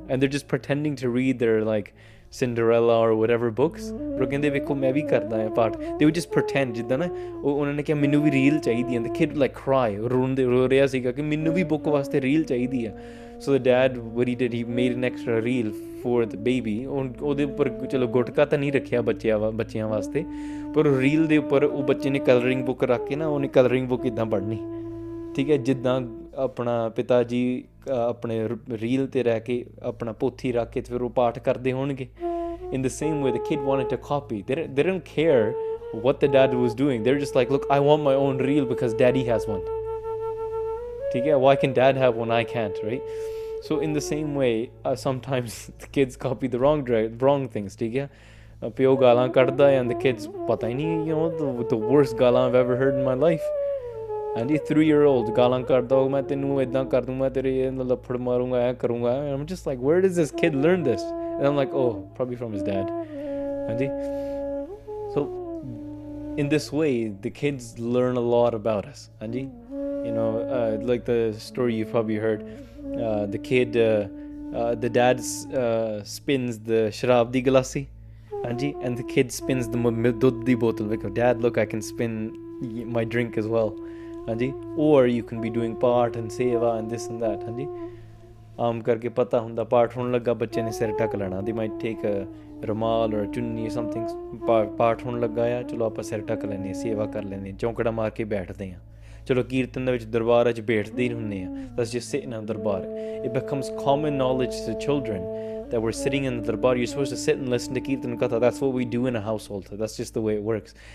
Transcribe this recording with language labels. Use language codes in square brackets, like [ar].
[en] And they're just pretending to read their like Cinderella or whatever books. [pa] Par kehnde vekho main bhi karda ya paath. [en] They would just pretend [pa] jidda na unhone kya mainu bhi reel chahidi hai. [en] The kid would like cry, [pa] ro reya sige ki mainu bhi book waste reel chahidi hai. [en] So the dad, what he did, he made an extra reel for the baby. [pa] ਉਹਦੇ ਉੱਪਰ ਚਲੋ ਗੁਟਕਾ ਤਾਂ ਨਹੀਂ ਰੱਖਿਆ ਬੱਚਿਆਂ ਵਾਸਤੇ, ਪਰ reel ਦੇ ਉੱਪਰ ਉਹ ਬੱਚੇ ਨੇ ਕਲਰਿੰਗ ਬੁੱਕ ਰੱਖ ਕੇ ਨਾ ਉਹਨੇ ਕਲਰਿੰਗ ਬੁੱਕ ਇੱਦਾਂ ਪੜ੍ਹਨੀ. ਠੀਕ ਹੈ, ਜਿੱਦਾਂ ਆਪਣਾ ਪਿਤਾ ਜੀ ਆਪਣੇ ਰੀਲ 'ਤੇ ਰਹਿ ਕੇ ਆਪਣਾ ਪੋਥੀ ਰੱਖ ਕੇ ਫਿਰ ਉਹ ਪਾਠ ਕਰਦੇ ਹੋਣਗੇ. [en] In the same way the kid wanted to copy. They don't care what the dad was doing. They are just like, look, I want my own reel because daddy has one. ਠੀਕ ਹੈ, why can dad have one, I can't, right? So in the same way, sometimes the kids copy the wrong things. [pa] ਠੀਕ ਹੈ, ਪਿਓ ਗਾਲਾਂ ਕੱਢਦਾ ਹੈ, [en] and the kids [pa] ਪਤਾ ਹੀ ਨਹੀਂ, [en] You know, the worst ਗਾਲਾਂ I've ever heard in my life. [pa] And ਇਹ 3-year-old ਗਾਲਾਂ ਕੱਢਦਾ ਹੋਊ, ਮੈਂ ਤੈਨੂੰ ਇੱਦਾਂ ਕਰ ਦੂੰਗਾ, ਤੇਰੇ ਲੱਫੜ ਮਾਰੂੰਗਾ, ਐਂ ਕਰੂੰਗਾ. [en] I am just like, where did this kid learn this? And I am like, oh, probably from his dad. ਹਾਂਜੀ, so in this way the kids learn a lot about us. ਹਾਂਜੀ, you know, like the story you've probably heard, the kid, the dad spins the [pa] sharab di galasi, [en] hanji, and the kid spins the [pa] dudh di botal, [en] like, dad, look, I can spin my drink as well, hanji, or you can be doing paath and seva and this and that, hanji. [pa] Aam karke pata hunda paath hon laga, bachche ne sir tak lana, [en] they might take a [pa] ਰੁਮਾਲ ਔਰ ਚੁੰਨੀ something, ਪਾਠ ਹੋਣ ਲੱਗਾ ਆ, ਚਲੋ ਆਪਾਂ ਸਿਰ ਢੱਕ ਲੈਂਦੇ ਹਾਂ, ਸੇਵਾ ਕਰ ਲੈਂਦੇ ਹਾਂ, ਚੌਂਕੜਾ ਮਾਰ ਕੇ ਬੈਠਦੇ ਹਾਂ, ਚਲੋ ਕੀਰਤਨ ਦੇ ਵਿੱਚ ਦਰਬਾਰ 'ਚ ਬੈਠਦੇ ਹੀ ਹੁੰਦੇ ਹਾਂ, ਬਸ ਜਿਸ ਸੇ ਇਹਨਾਂ ਦਰਬਾਰ. [en] It becomes common knowledge to children that were sitting in ਦਰਬਾਰ, you suppose to sit and listen to ਕੀਰਤਨ ਕਥਾ, that's what we do in a household, that's just the way it works.